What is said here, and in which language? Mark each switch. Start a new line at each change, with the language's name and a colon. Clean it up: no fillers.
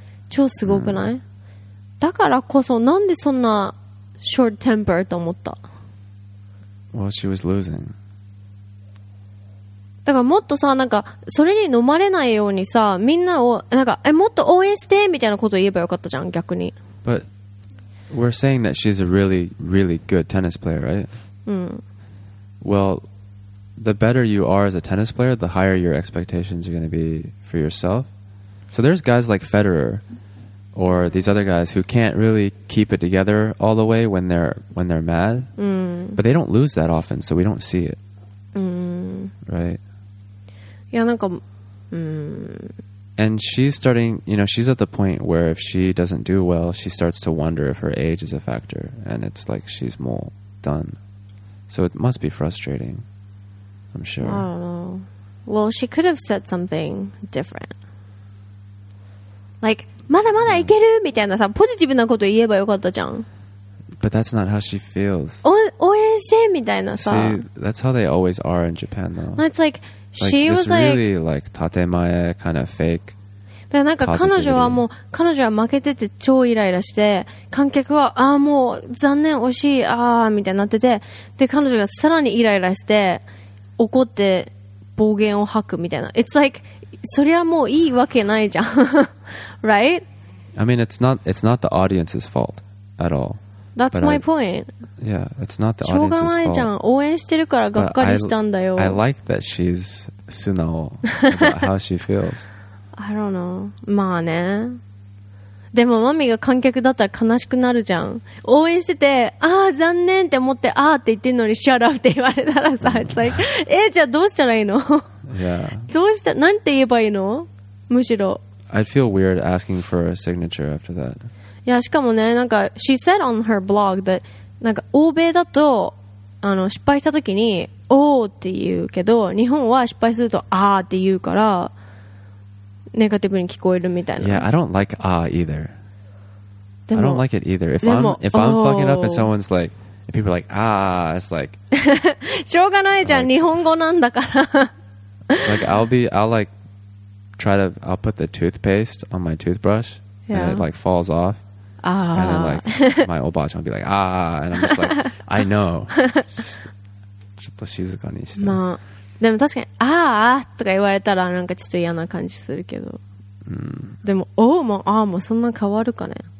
Japanese: 超すごくない?だからこそなんでそんな
English: short temper
Japanese: と思った。
English: Well, she was losing.
Japanese: だからもっとさ、なんかそれに飲まれないようにさ、みんなをなんかもっと応援してみたいなことを言えばよかったじゃん、逆に。
English: ButWe're saying that she's a really, really good tennis player, right? Well, the better you are as a tennis player, the higher your expectations are going to be for yourself. So there's guys like Federer or these other guys who can't really keep it together all the way when they're mad. But they don't lose that often, so we don't see it. Right? Yeah, なんか, And she's starting, you know, she's at the point where if she doesn't do well, she starts to wonder if her age is a factor. And it's like she's more done. So it must be frustrating, I'm sure. I don't know. Well, she could have said something different.
Japanese: Like, まだまだいけるみたいなさ、ポジティブなこと言えばよかったじゃん。
English: But that's not how she feels.
Japanese: Oishii mitaina sa.
English: See, that's how they always are in Japan, though. It's like she was like really like tatemae kind of fake.
Japanese: で、なんか彼女はもう彼女は負けてて超イライラして、観客はああもう残念惜しいああみたいになってて、で彼女がさらにイライラして怒って暴言を吐くみたいな。
English: It's like
Japanese: そりゃもういいわけないじゃん。
English: Right? I mean it's not the audience's fault at all. That's my point. Yeah, it's not the audience's fault.
Japanese: しょうがないじゃん、応援してるからがっかりしたんだよ。
English: I like that she's 素直 about how she feels. I don't know.
Japanese: まあね。でもマミが観客だったら悲しくなるじゃん。応援してて、ああ残念って思って、ああって言ってんのにシャラフって言われたらさ、
English: It's like,
Japanese: じゃあどうしたらいいの？
English: Yeah.
Japanese: どうした、なんて言えばいいの？むしろ。
English: I'd feel weird asking for a signature after that.
Japanese: いや、しかもね、なんか、
English: she said on her blog that,
Japanese: なんか、欧米だと、あの、失敗した時に、おーって言うけど、日本は失敗すると、ああって言うから、ネガティブに聞こえるみたいな。
English: Yeah, I don't like ah either. I don't like it either. If I'm fucking up and someone's like, if people are like ah, it's like,
Japanese: しょうがないじゃん、日本語なんだから。
English: Like I'll put the toothpaste on my toothbrush, yeah. And it like falls off. Ah. And then like my obachan will be like ah, and I'm just like I know.
Japanese: Just, ちょっと静かにして。まあでも確かにああとか言われたらなんかちょっと嫌な感じするけど、でもおーもああもそんな変わるかね。